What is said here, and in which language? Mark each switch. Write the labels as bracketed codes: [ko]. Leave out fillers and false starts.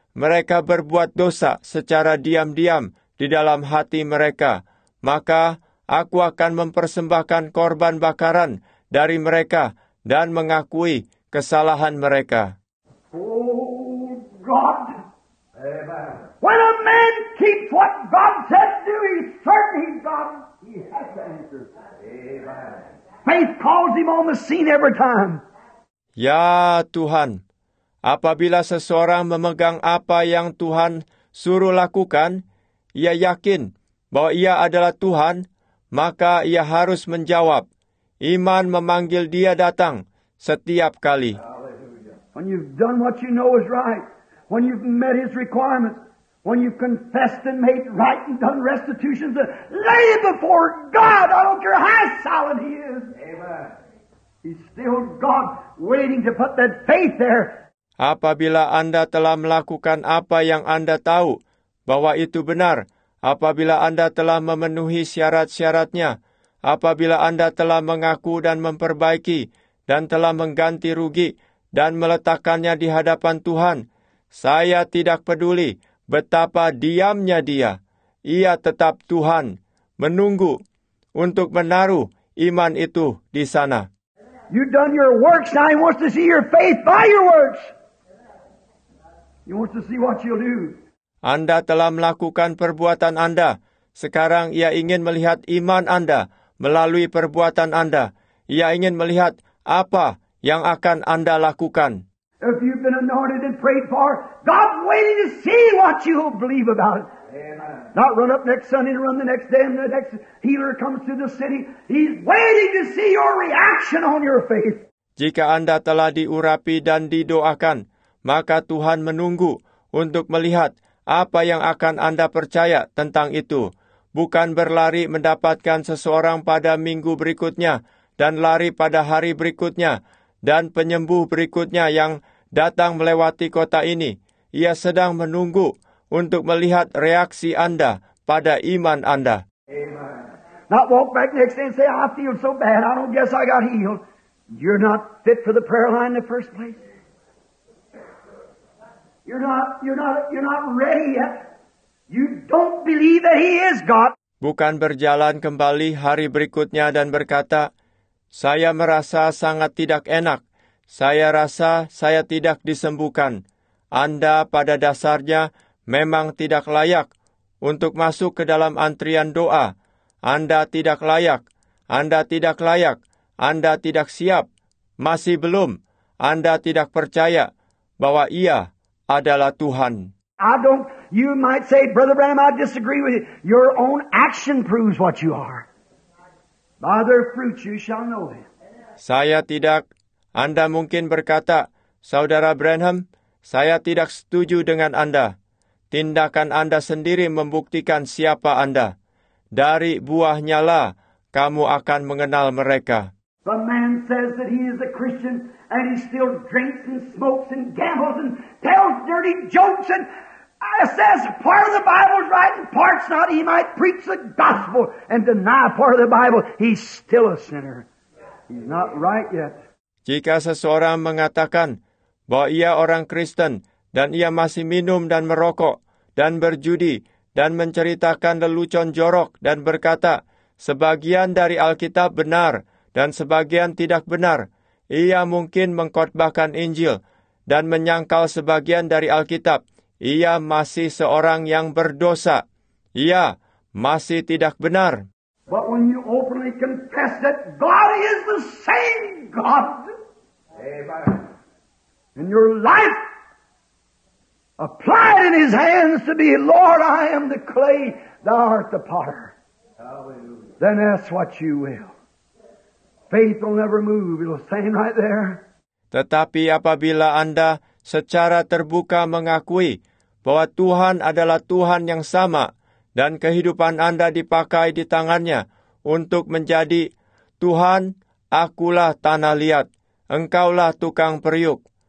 [id] mereka berbuat dosa secara diam-diam di dalam hati mereka, maka aku akan mempersembahkan korban bakaran dari mereka dan mengakui kesalahan mereka. [en] Oh God. Amen. When a man keeps what God said to do, he's certain he's got it. He has to answer. Amen. Faith calls him on the scene every time. [id] Ya Tuhan, apabila seseorang memegang apa yang Tuhan suruh lakukan, ia yakin bahwa ia adalah Tuhan, maka ia harus menjawab. Iman memanggil dia datang setiap kali. [en] When you've done what you know is right, when you've met his requirements, when you've confessed and made right and done restitutions, lay before God, I don't care how solid he is. Amen. He's still God waiting to put that faith there. [id] Apabila Anda telah melakukan apa yang Anda tahu bahwa itu benar, apabila Anda telah memenuhi syarat-syaratnya, apabila Anda telah mengaku dan memperbaiki dan telah mengganti rugi dan meletakkannya di hadapan Tuhan, saya tidak peduli betapa diamnya dia. Ia tetap Tuhan, menunggu untuk menaruh iman itu di sana. [en] You done your works, now he wants to see your faith by your works. He wants to see what you'll do. [id] Anda telah melakukan perbuatan Anda. Sekarang ia ingin melihat iman Anda melalui perbuatan Anda. Ia ingin melihat apa yang akan Anda lakukan. [en] If you've been anointed and prayed for, God's waiting to see what you'll believe about it. Amen. Not run up next Sunday and run the next day and the next healer comes to the city. He's waiting to see your reaction on your faith. [id] Jika Anda telah diurapi dan didoakan, maka Tuhan menunggu untuk melihat apa yang akan Anda percaya tentang itu. Bukan berlari mendapatkan seseorang pada minggu berikutnya dan lari pada hari berikutnya dan penyembuh berikutnya yang datang melewati kota ini. Ia sedang menunggu untuk melihat reaksi Anda pada iman Anda. Amen. [en] Not walk back next day and say, I feel so bad, I don't guess I got healed. You're not fit for the prayer line in the first place. You're not ready yet. You don't believe that he is God. [id] Bukan berjalan kembali hari berikutnya dan berkata, saya merasa sangat tidak enak. Saya rasa saya tidak disembuhkan. Anda pada dasarnya memang tidak layak untuk masuk ke dalam antrian doa. Anda tidak layak. Anda tidak layak. Anda tidak siap. Masih belum. Anda tidak percaya bahwa ia adalah Tuhan. [en] You might say, Brother Branham, I disagree with you. Your own action proves what you are. By their fruits you shall know them. [id] Saya tidak. Anda mungkin berkata, Saudara Branham, saya tidak setuju dengan Anda. Tindakan Anda sendiri membuktikan siapa Anda. Dari buahnya lah kamu akan mengenal mereka. [en] The man says that he is a Christian and he still drinks and smokes and gambles and tells dirty jokes and says part of the Bible's right and part's not. He might preach the gospel and deny part of the Bible. He's still a sinner. He's not right yet. [id] Jika seseorang mengatakan bahwa ia orang Kristen dan ia masih minum dan merokok dan berjudi dan menceritakan lelucon jorok dan berkata sebagian dari Alkitab benar dan sebagian tidak benar, ia mungkin mengkhotbahkan Injil dan menyangkal sebagian dari Alkitab. Ia masih seorang yang berdosa. Ia masih tidak benar. [en] But when you openly confess that God is the same God, amen, and your life applied in His hands to be, Lord, I am the clay, Thou art the potter. Hallelujah. Then that's what you will. Faith will never move. It'll stand right there. [id] Tetapi apabila Anda secara terbuka mengakui bahwa Tuhan adalah Tuhan yang sama dan kehidupan Anda dipakai di tangannya untuk menjadi Tuhan, akulah tanah liat, engkaulah tukang periuk.